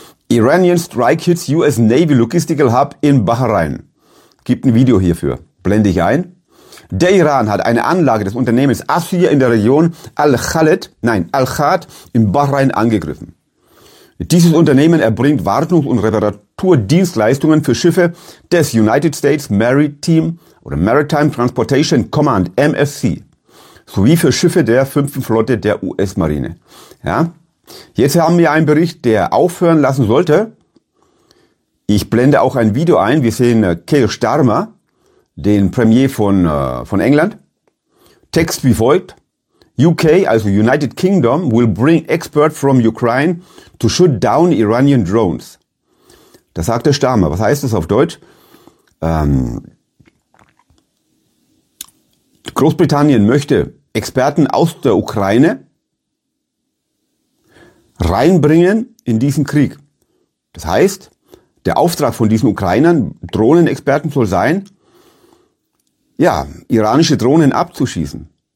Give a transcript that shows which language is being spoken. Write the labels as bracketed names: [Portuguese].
[English] Iranian strike hits US Navy logistical hub in Bahrain. [German] Gibt ein Video hierfür. Blende ich ein. Der Iran hat eine Anlage des Unternehmens Asir in der Region Al-Khad in Bahrain angegriffen. Dieses Unternehmen erbringt Wartungs- und Reparaturdienstleistungen für Schiffe des United States Maritime Transportation Command, MSC. Sowie für Schiffe der 5. Flotte der US-Marine. Ja? Jetzt haben wir einen Bericht, der aufhören lassen sollte. Ich blende auch ein Video ein. Wir sehen Keir Starmer, den Premier von England. Text wie folgt. [English] UK, also United Kingdom, will bring expert from Ukraine to shoot down Iranian drones. [German] Das sagt der Starmer. Was heißt das auf Deutsch? Großbritannien möchte Experten aus der Ukraine reinbringen in diesen Krieg. Das heißt, der Auftrag von diesen Ukrainern, Drohnenexperten, soll sein, ja, iranische Drohnen abzuschießen.